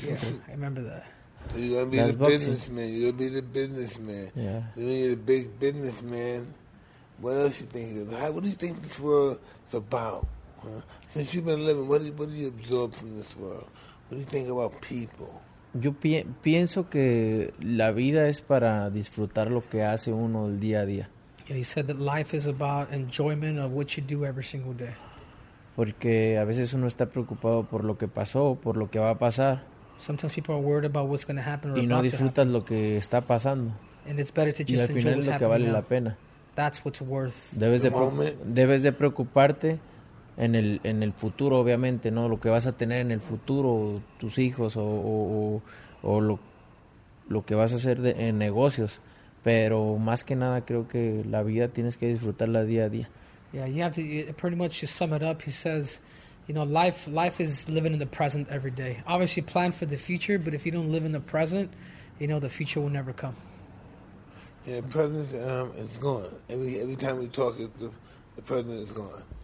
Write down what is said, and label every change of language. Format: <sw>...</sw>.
<en>him. Yeah, I remember that. So you're going to be that's the boxing. Businessman. You're going to be the businessman. Yeah. You're the big businessman. What else you think? What do you think this world's about? Huh? Since you've been living, what do you absorb from this world? What do you think about people?</en> <es>Yo pienso que la vida es para disfrutar lo que hace uno el día a día.</es> <en>Yeah, he said that life is about enjoyment of what you do every single day.</en> <es>Porque a veces uno está preocupado por lo que pasó, por lo que va a pasar.</es> <en>Sometimes people are worried about what's going to happen or</en> <es>y no disfrutas lo que está pasando.</es> <en>And it's better to just enjoy what's</en> <es>lo que vale</es> <en>now.</en> <es>La pena.</es> <en>That's what's worth.</en> <es>Debes de preocuparte en el futuro, obviamente, ¿no? Lo que vas a tener en el futuro, tus hijos o lo que vas a hacer en negocios. Pero más que nada, creo que la vida tienes que disfrutarla día a día.</es> <en>Yeah, you have to pretty much to sum it up. He says, you know, life is living in the present every day. Obviously, plan for the future, but if you don't live in the present, you know, the future will never come. Yeah, the present is gone. Every time we talk, the present is gone.</en>